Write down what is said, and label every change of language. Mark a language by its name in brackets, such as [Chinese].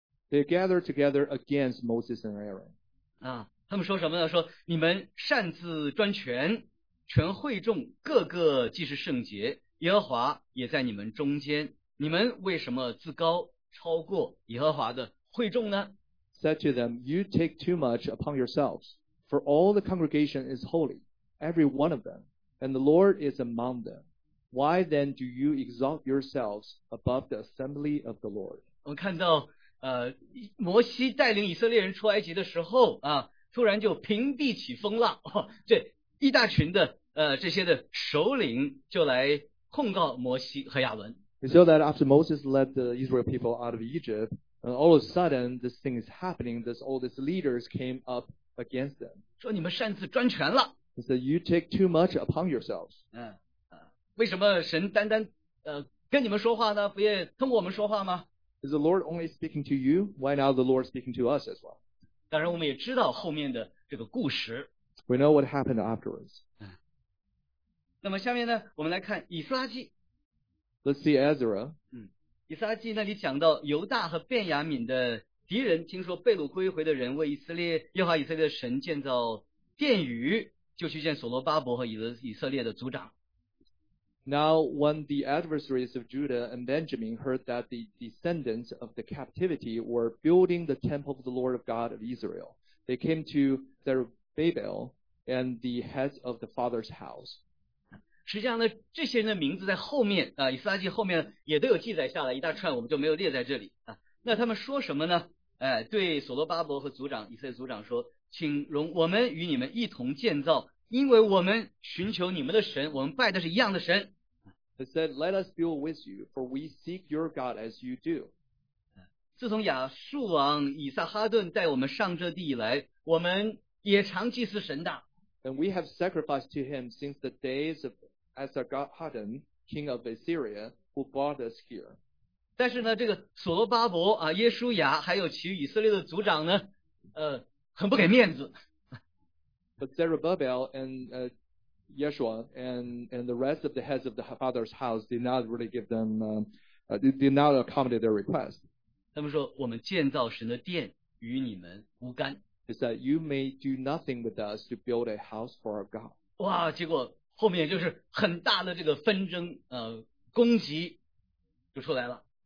[English] They gather together against Moses and Aaron. [Chinese] 他们说什么呢？说你们擅自专权，全会众个个既是圣洁，耶和华也在你们中间，你们为什么自高超过耶和华的会众呢？ [English] Said to them, You take too much upon yourselves, for all the congregation is holy, every one of them, and the Lord is among them. Why then do you exalt yourselves above the assembly of the Lord? [Chinese] 我看到摩西带领以色列人出埃及的时候突然就平地起风浪，这一大群的这些的首领就来控告摩西和亚伦。 [English] So that after Moses led the Israel people out of Egypt, and all of a sudden this thing is happening, this all these leaders came up against them. [Chinese] 说你们擅自专权了。 [English] He said, you take too much upon yourselves. [Chinese] 为什么神单单跟你们说话呢？不也通过我们说话吗？ [English] Is the Lord only speaking to you? Why now the Lord speaking to us as well? [Chinese] 当然我们也知道后面的这个故事。 [English] We know what happened afterwards. [Chinese] 那么下面呢我们来看以斯拉记。 [English] Let's see Ezra. [Chinese] 以斯拉记那里讲到犹大和便雅悯的敌人听说被掳归回的人为以色列耶和华以色列的神建造殿宇，就去见所罗巴伯和以色列的族长。 [English] Now when the adversaries of Judah and Benjamin heard that the descendants of the captivity were building the temple of the Lord of God of Israel, they came to Zerubbabel and the heads of the father's house. [Chinese] 实际上呢这些人的名字在后面以斯拉记后面也都有记载下来一大串，我们就没有列在这里那他们说什么呢？对所罗巴伯和族长以色列族长说，请容我们与你们一同建造，因为我们寻求你们的神，我们拜的是一样的神。 [English] He said, "Let us build with you, for we seek your God as you do." [Chinese] 自从亚述王以撒哈顿带我们上这地以来，我们也常祭祀神的。 [English] And we have sacrificed to him since the days of Esarhaddon, king of Assyria, who brought us here. [Chinese] 但是呢，这个所罗巴伯耶稣雅还有其以色列的族长呢，很不给面子。 [English] But Zerubbabel and Yeshua and the rest of the heads of the father's house did not really give them, did not accommodate their request. [Chinese] 他们说我们建造神的殿与你们无干。 [English] He said, you may do nothing with us to build a house for our God. [Chinese] 哇，结果后面就是很大的这个纷争攻击就出来了。